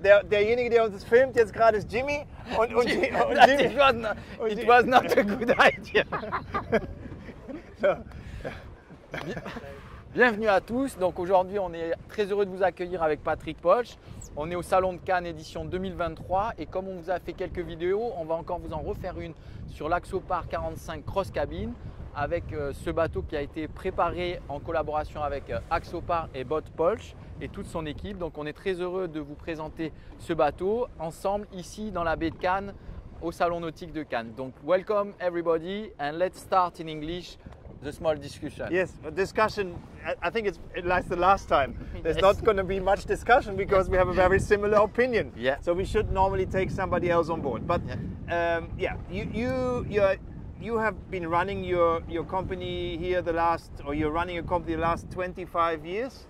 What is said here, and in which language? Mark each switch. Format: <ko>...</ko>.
<de>Derjenige, der uns das filmt jetzt gerade, ist Jimmy.</de> <en>Und Jimmy, it was not a good idea.</en> <fr>Bienvenue à tous. Donc aujourd'hui, on est très heureux de vous accueillir avec Patrick Polch. On est au Salon de Cannes édition 2023. Et comme on vous a fait quelques vidéos, on va encore vous en refaire une sur l'Axopar 45 Cross Cabin avec ce bateau qui a été préparé en collaboration avec Axopar et Boat Polch et toute son équipe. Donc on est très heureux de vous présenter ce bateau ensemble ici dans la baie de Cannes au Salon Nautique de Cannes.</fr> <en>Donc welcome everybody and let's start in English. The small discussion. Yes, a discussion. I think it's like the last time. There's not going to be much discussion because we have a very similar opinion. Yeah. So we should normally take somebody else on board. But you have been running your company here you're running a company the last 25 years.</en>